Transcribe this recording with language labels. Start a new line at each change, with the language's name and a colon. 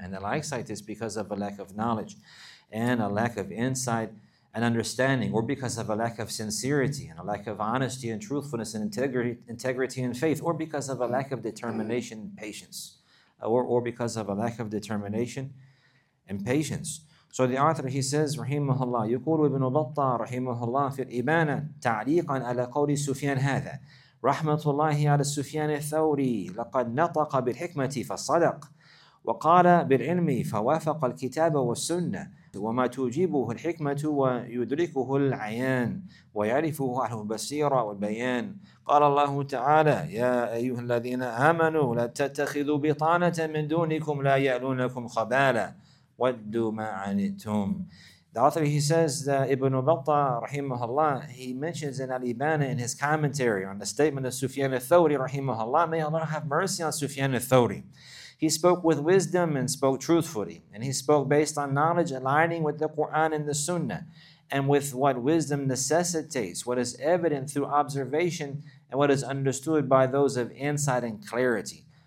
English: And the likes like this because of a lack of knowledge and a lack of insight and understanding, or because of a lack of sincerity and a lack of honesty and truthfulness and integrity and faith, or because of a lack of determination and patience. Or because of a lack of determination and patience. So the author, he says,
Arabic: rahimahullah, يقول ابن بطة رحمه الله في الإبانة تعليقا على قول سفيان هذا رحمة الله على سفيان الثوري لقد نطق بالحكمة فصدق وقال بالعلم فوافق الكتاب والسنة وما توجبه الحكمة ويدركه العيان ويعرفه أهل البصيرة والبيان. قال الله تعالى يا أيها الذين آمنوا لا تتخذوا بطانة من دونكم لا يألونكم خبالا ودوا ما عنتم.
English: The author, he says that Ibn Battah rahimahullah, he mentions in Al-Ibana in his commentary on the statement of Sufyan al-Thawri rahimahullah, may Allah have mercy on Sufyan al-Thawri. He spoke with wisdom and spoke truthfully. And he spoke based on knowledge aligning with the Qur'an and the Sunnah and with what wisdom necessitates, what is evident through observation and what is understood by those of insight and clarity.